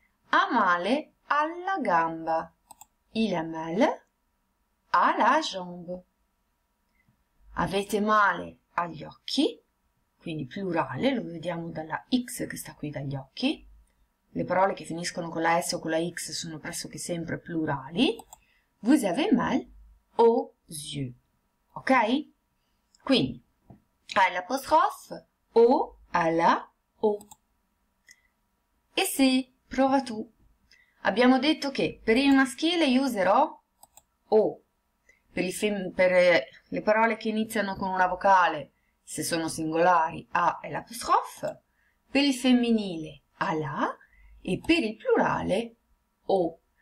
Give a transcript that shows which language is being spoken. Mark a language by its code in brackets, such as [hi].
[it] Ha male alla gamba. [fr] Il a mal à la jambe. [it] Avete male agli occhi. Quindi plurale, lo vediamo dalla X che sta qui dagli occhi. Le parole che finiscono con la S o con la X sono pressoché sempre plurali. [fr] Vous avez mal aux yeux. Ok? [it] Quindi, à l'apostrophe, o, à la, o. Eh sì, prova tu. Abbiamo detto che per il maschile io userò o. Per le parole che iniziano con una vocale, se sono singolari, a è l'apostrophe, per il femminile, alla, e per il plurale, o.